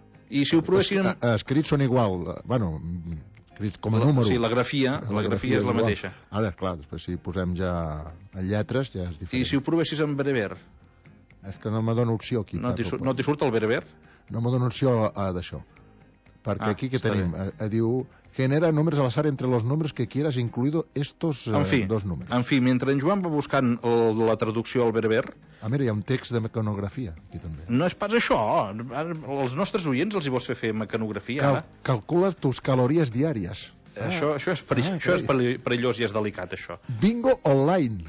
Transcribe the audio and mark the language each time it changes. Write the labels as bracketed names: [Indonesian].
[Catalan] I si ho provessin... Escrits són igual, bueno, escrits com a número. Sí, la grafia és la mateixa. Ara, clar, després si posem ja en lletres ja és diferent. I si ho provessis en berber? És que no me dona opció aquí. No t'hi surt el berber? No m'ho dono opció d'això. Perquè aquí què tenim? [Spanish] Diu, genera números a l'azar entre los números que quieras, incluido estos dos números. [Catalan] En fi, mentre en Joan va buscant la traducció al berber... Ah, mira, hi ha un text de mecanografia aquí també. No és pas això. Als nostres oients els hi vols fer mecanografia, [Spanish] Calcula tus [Catalan] calories diàries. Això és perillós i és delicat, això. Bingo online.